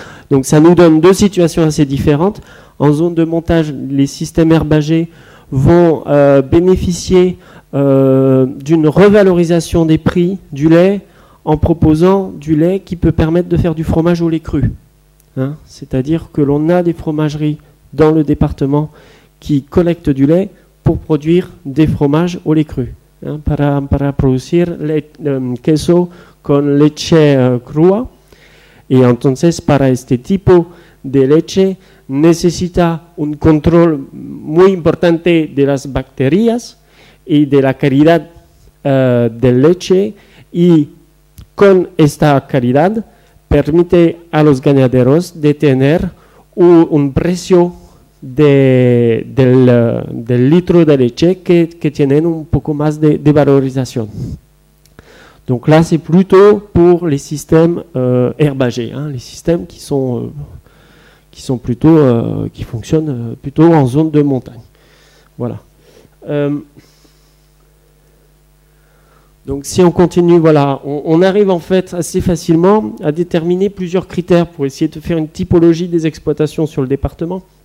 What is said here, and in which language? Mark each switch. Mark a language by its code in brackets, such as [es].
[fr] Donc ça nous donne deux situations assez différentes. En zone de montage, les systèmes herbagers vont bénéficier d'une revalorisation des prix du lait en proposant du lait qui peut permettre de faire du fromage au lait cru. C'est-à-dire que l'on a des fromageries dans le département qui collectent du lait pour produire des fromages au lait cru. [es] Para producir queso con leche crua. Et entonces, para este tipo de leche, necesita un control muy importante de las bacterias y de la calidad de leche. Y con esta calidad permite a los ganaderos de tener un precio del litro de leche que tienen un poco más de valorización. [fr] Donc là, c'est plutôt pour les systèmes herbagers, les systèmes qui fonctionnent plutôt en zone de montagne. Voilà. Donc si on continue, voilà, on arrive en fait assez facilement à déterminer plusieurs critères pour essayer de faire une typologie des exploitations sur le département.